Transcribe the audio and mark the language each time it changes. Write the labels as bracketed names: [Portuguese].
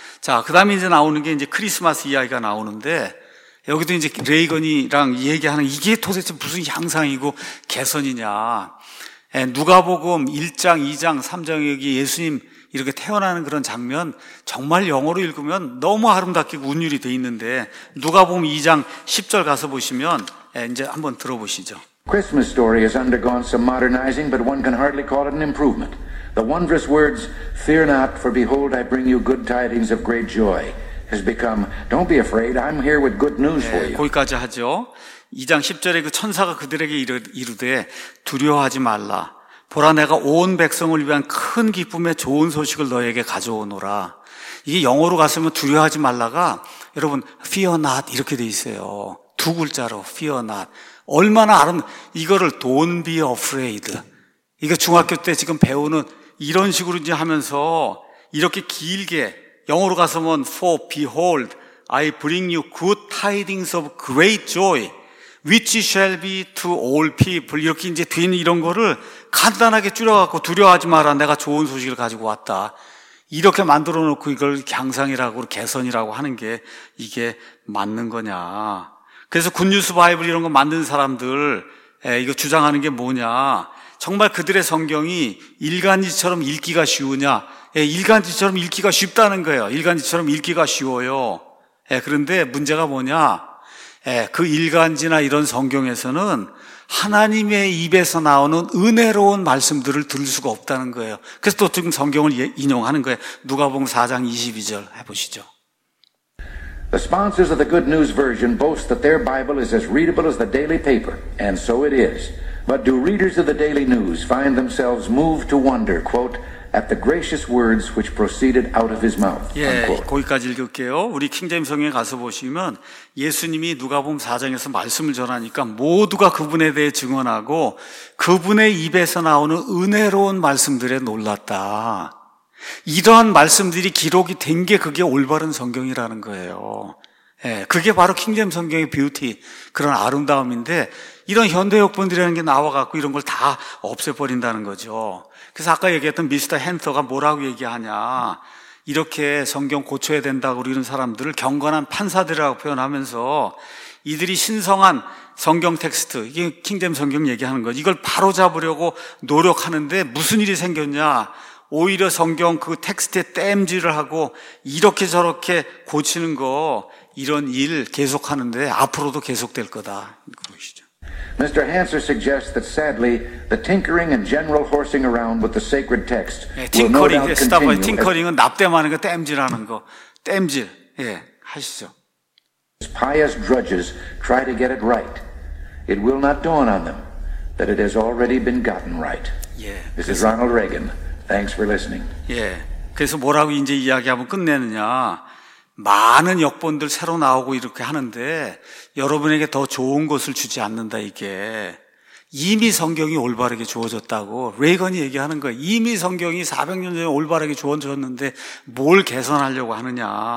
[Korean] 자, 그다음에 이제 나오는 게 이제 크리스마스 이야기가 나오는데 여기도 이제 레이건이랑 얘기하는 이게 도대체 무슨 향상이고 개선이냐. 누가복음 1장, 2장, 3장 여기 예수님 이렇게 태어나는 그런 장면 정말 영어로 읽으면 너무 아름답게 운율이 돼 있는데 누가복음 2장 10절 가서 보시면 이제 한번 들어보시죠. [English] Christmas story has undergone some modernizing but one can hardly call it an improvement. The wondrous words fear not for behold I bring you good tidings of great joy has become don't be afraid I'm here with good news for you. [Korean] 거기까지 하죠. 2장 10절에 그 천사가 그들에게 이르되 두려워하지 말라 보라, 내가 온 백성을 위한 큰 기쁨의 좋은 소식을 너에게 가져오노라. 이게 영어로 갔으면 두려워하지 말라가, 여러분, [English] fear not [Korean] 이렇게 돼 있어요. 두 글자로 [English] fear not. [Korean] 얼마나 아름다운, 이거를 [English] don't be afraid. [Korean] 이거 중학교 때 지금 배우는 이런 식으로 이제 하면서 이렇게 길게 영어로 가서면 [English] for behold, I bring you good tidings of great joy, which shall be to all people. [Korean] 이렇게 이제 된 이런 거를 간단하게 줄여갖고 두려워하지 마라. 내가 좋은 소식을 가지고 왔다. 이렇게 만들어 놓고 이걸 향상이라고, 개선이라고 하는 게 이게 맞는 거냐. 그래서 굿뉴스 바이블 이런 거 만든 사람들, 이거 주장하는 게 뭐냐. 정말 그들의 성경이 일간지처럼 읽기가 쉬우냐. 일간지처럼 읽기가 쉽다는 거예요. 일간지처럼 읽기가 쉬워요. 그런데 문제가 뭐냐. 그 일간지나 이런 성경에서는 하나님의 입에서 나오는 은혜로운 말씀들을 들을 수가 없다는 거예요. 그래서 또 지금 성경을 인용하는 거예요. 누가복음 4장 22절 해보시죠. [English] The sponsors of the Good News Version boast that their Bible is as readable as the daily paper, and so it is. But do readers of the daily news find themselves moved to wonder, quote, at the gracious words which proceeded out of his mouth, unquote. [Korean] 예, 거기까지 읽을게요. 우리 킹제임 성경에 가서 보시면 예수님이 누가복음 4장에서 말씀을 전하니까 모두가 그분에 대해 증언하고 그분의 입에서 나오는 은혜로운 말씀들에 놀랐다. 이러한 말씀들이 기록이 된 게 그게 올바른 성경이라는 거예요. 예, 그게 바로 킹제임 성경의 뷰티, 그런 아름다움인데 이런 현대역본들이라는 게 나와갖고 이런 걸 다 없애버린다는 거죠. 그래서 아까 얘기했던 미스터 헨터가 뭐라고 얘기하냐. 이렇게 성경 고쳐야 된다고 이런 사람들을 경건한 판사들이라고 표현하면서 이들이 신성한 성경 텍스트, 이게 킹제임 성경 얘기하는 거죠. 이걸 바로잡으려고 노력하는데 무슨 일이 생겼냐. 오히려 성경 그 텍스트에 땜질을 하고 이렇게 저렇게 고치는 거, 이런 일 계속하는데 앞으로도 계속될 거다. 보시죠. [English] Mr. Hanser suggests that sadly the tinkering and general horsing around with the sacred text. [Korean] 네, 팅커링, 스타버, 팅커링은 납땜하는 거, 땜질하는 거. 땜질. 예, 네, 하시죠. [English] Pious drudges try to get it right. It will not dawn on them that it has already been gotten right. [Korean] 예. [English] This is Ronald Reagan. Thanks for listening. [Korean] 예. 그래서 뭐라고 이제 이야기하면 끝내느냐? 많은 역본들 새로 나오고 이렇게 하는데 여러분에게 더 좋은 것을 주지 않는다. 이게 이미 성경이 올바르게 주어졌다고 레이건이 얘기하는 거예요. 이미 성경이 400년 전에 올바르게 주어졌는데 뭘 개선하려고 하느냐.